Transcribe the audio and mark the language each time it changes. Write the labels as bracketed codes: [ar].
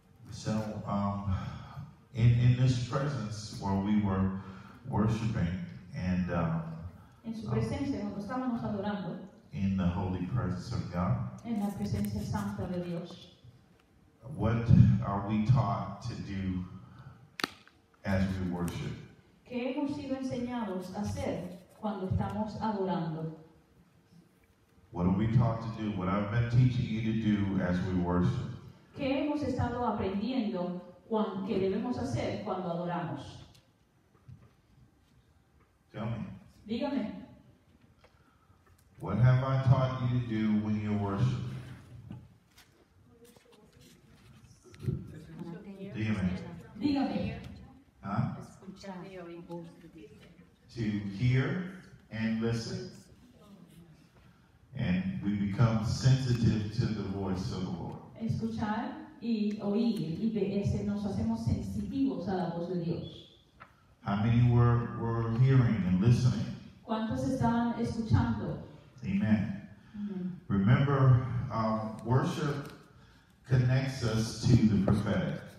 [en] So, in this presence where we were worshiping and [es] en su presencia, cuando estábamos adorando, [en] in the holy presence of God, [es] en la presencia santa de Dios, [en] what are we taught to do as we worship? [es] ¿Qué hemos sido enseñados a hacer cuando estamos adorando? [en] What are we taught to do? What I've been teaching you to do as we worship. [es] ¿Qué hemos estado aprendiendo que debemos hacer cuando adoramos? [en] Tell me. [es] Dígame. [en] What have I taught you to do when you're worshiping? [es] Dígame. Dígame. Huh? Escuchar. [en] To hear and listen. And we become sensitive to the voice of the Lord. [es] Escuchar y oír y nos hacemos sensitivos a la voz de Dios. [en] How many were hearing and listening? [es] ¿Cuántos estaban escuchando? [en] Amen. Mm-hmm. Remember, worship connects us to the prophetic.